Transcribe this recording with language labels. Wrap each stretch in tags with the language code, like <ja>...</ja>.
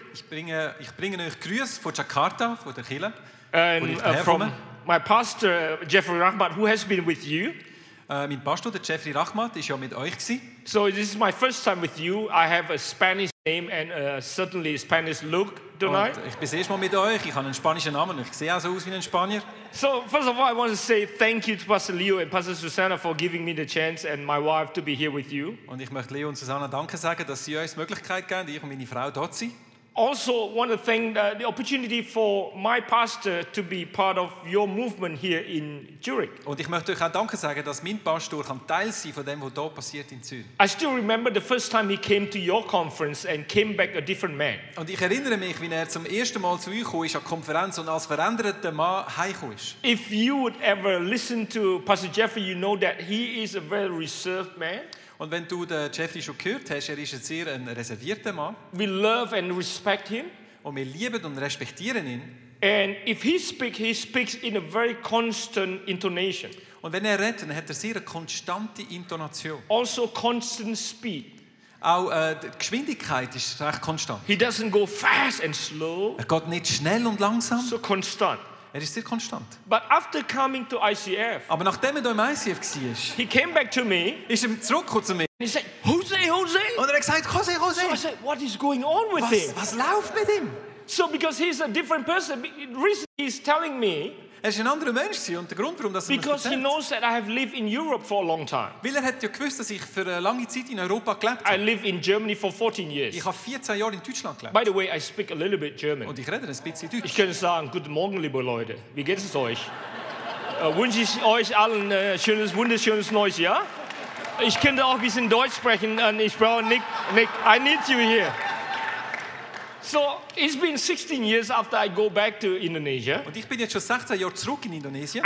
<de>Ich bringe euch Grüße von Jakarta, von der Kirche.</de> <en>And from my pastor, Jeffrey Rahmat, who has been with you.</en> <de>Mein Pastor, der Jeffrey Rahmat, ist ja mit euch gsi.</de> <en>So this is my first time with you. I have a Spanish name and certainly a Spanish look tonight.</en> <de>Und ich bin erst mal mit euch. Ich habe einen spanischen Namen und ich sehe auch so aus wie ein Spanier.</de> <en>So first of all, I want to say thank you to Pastor Leo and Pastor Susanna for giving me the chance and my wife to be here with you.</en> <de>Und ich möchte Leo und Susanna danke sagen, dass sie uns die Möglichkeit geben, ich und meine Frau dort zu sein.</de> <en>Also want to thank the opportunity for my pastor to be part of your movement here in Zurich.</en> <de>Und ich möchte euch auch danke sagen, dass mein Pastor kann Teil sein von dem, was da passiert in Zürich.</de> <en>I still remember the first time he came to your conference and came back a different man.</en> <de>Und ich erinnere mich, wie er zum ersten Mal zu euch kam, an die Konferenz und als veränderter Mann heimgekommen ist.</de> <en>If you would ever listen to Pastor Jeffrey, you know that he is a very reserved man.</en> <de>Und wenn du den Jeffrey schon gehört hast, er ist ein sehr reservierter Mann.</de> <en>We love and respect him.</en> <de>Und wir lieben und respektieren ihn.</de> <en>And if he speaks in a very constant intonation.</en> <de>Und wenn er redet, dann hat er sehr eine konstante Intonation.</de> <en>Also constant speed.</en> <de>Auch die Geschwindigkeit ist recht konstant.</de> <en>He doesn't go fast and slow.</en> <de>Er geht nicht schnell und langsam.</de> <en>So constant.</en> <de>Er ist sehr konstant.</de> <en>But after coming to ICF,</en> <de>aber nachdem er im ICF war,</de> <en>he came back to me.</en> <de>Ist er zurückgekommen zu mir.</de> <en>And he said, Jose, Jose.</en> <de>Und er hat gesagt, Jose, Jose.</de> <en>So I said, what is going on with him?</en> <de>Was läuft mit ihm?</de> <en>So because he's a different person, recently he's telling me.</en> <de>Er ist ein anderer Mensch und der Grund, warum das er</de> <en>because he knows that I have lived in Europe for a long time.</en> <de>Weil er hat ja gewusst, dass ich für eine lange Zeit in Europa gelebt habe.</de> <en>I live in Germany for 14 years.</en> <de>Ich habe 14 Jahre in Deutschland gelebt.</de> <en>By the way, I speak a little bit German.</en> <de>Und ich rede ein bisschen Deutsch. Ich kann sagen, guten Morgen, liebe Leute. Wie geht es euch? Wünsche ich euch allen ein schönes, wunderschönes neues Jahr. Ich könnte auch ein bisschen Deutsch sprechen und ich brauche Nick,</de> <en>I need you here. So it's been 16 years after I go back to Indonesia.</en> <de>Und ich bin jetzt schon 16 Jahre zurück in Indonesien.</de>